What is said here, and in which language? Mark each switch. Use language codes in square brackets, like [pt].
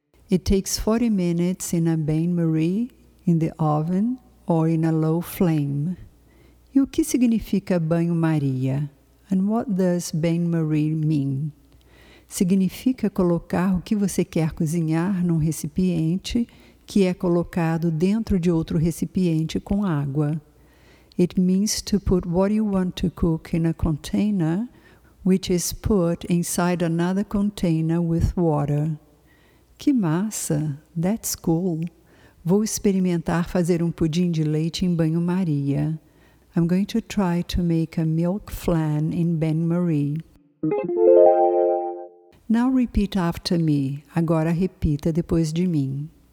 [en] It takes 40 minutes in a bain-marie, in the oven or in a low flame. [pt] E o que significa banho-maria? [en] And what does bain-marie mean? [pt] Significa colocar o que você quer cozinhar num recipiente que é colocado dentro de outro recipiente com água. [en] It means to put what you want to cook in a container, which is put inside another container with water. [pt] Que massa! [en] That's cool! [pt] Vou experimentar fazer um pudim de leite em banho-maria. [en] I'm going to try to make a milk flan in bain-marie. Now repeat after me. [pt] Agora repita depois de mim.